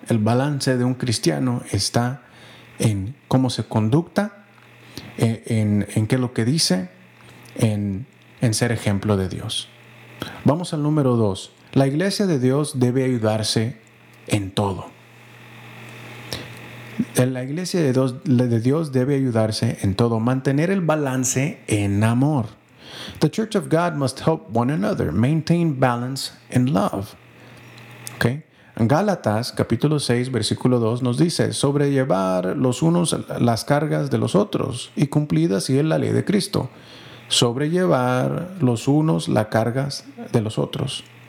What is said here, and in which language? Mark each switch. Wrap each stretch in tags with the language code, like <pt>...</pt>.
<es>El balance de un cristiano está en cómo se conducta, en qué es lo que dice, en ser ejemplo de Dios. Vamos al número 2. La iglesia de Dios debe ayudarse en todo. La iglesia de Dios debe ayudarse en todo. Mantener el balance en amor.</es> <en>The church of God must help one another. Maintain balance in love. Okay.</en> <es>En Gálatas capítulo 6 versículo 2 nos dice: sobrellevar los unos las cargas de los otros y cumplida así es la ley de Cristo. Sobrellevar los unos las cargas de los otros.</es>